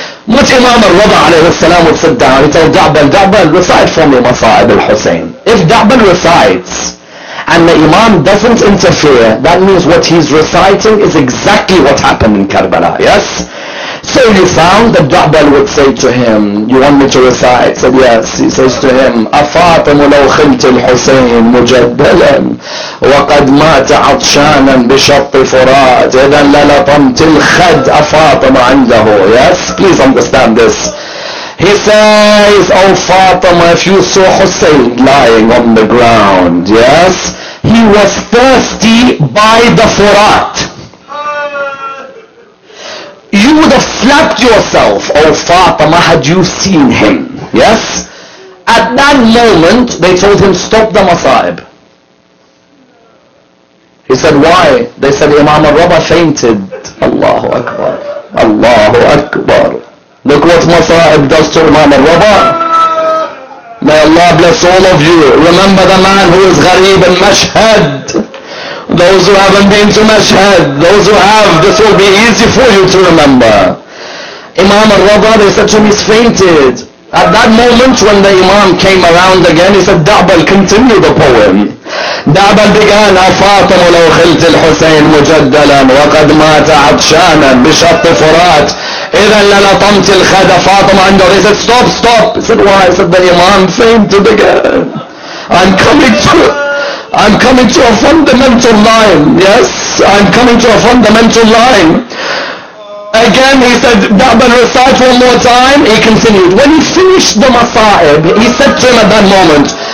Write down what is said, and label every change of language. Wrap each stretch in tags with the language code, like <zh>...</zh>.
<en>What Imam al-Rida alayhi salam would sit down and tell Da'bal, Da'bal, recite for me Masa'ib al-Hussein. If Da'bal recites and the Imam doesn't interfere, that means what he's reciting is exactly what happened in Karbala, yes? So you found that Da'bal would say to him, you want me to recite? Said, yes. He says to him,</en> <ar>أَفَاطِمُ لَوْ خِمْتِ الْحُسَيْنِ مُجَدَّلًا وَقَدْ مَاتَ عَطْشَانًا بِشَطِّ فُرَاتِ إِذًا لَلَطَمْتِ الْخَدْ أَفَاطِمَ عِنْدَهُ.</ar> <en>Yes? Please understand this. He says, oh Fatima, if you saw Hussein lying on the ground, yes? He was thirsty by the Furat. You would have slapped yourself, oh Fatima, had you seen him, yes? At that moment, they told him, stop the Masa'ib. He said, why? They said, Imam al-Rida fainted. Allahu Akbar. Allahu Akbar. Look what Masa'ib does to Imam al-Rida. May Allah bless all of you. Remember the man who is Ghareeb in Mashhad. Those who haven't been to Mashhad, those who have, this will be easy for you to remember. Imam al-Rida, they said to him, he's fainted. At that moment when the Imam came around again, he said, Da'bal, continue the poem.</en> <ar>Da'bal</ar> <en>began,</en> <ar>أَفَاطَمُ لَوْ خِلْتِ الْحُسَيْنِ مُجَدَّلًا وَقَدْ مَاتَ عَطْشَانًا بِشَطِّ فُرَاتِ إِذًا لَلَطَمْتِ الْخَدَ فَاطَمَ عِنْدَهُ.</ar> <en>He said, stop, stop. He said, why? He said, the Imam fainted again. I'm coming to a fundamental line. Yes, I'm coming to a fundamental line. Again, he said, Da'bal, recite one more time. He continued. When he finished the Masa'ib, he said to him at that moment,</en>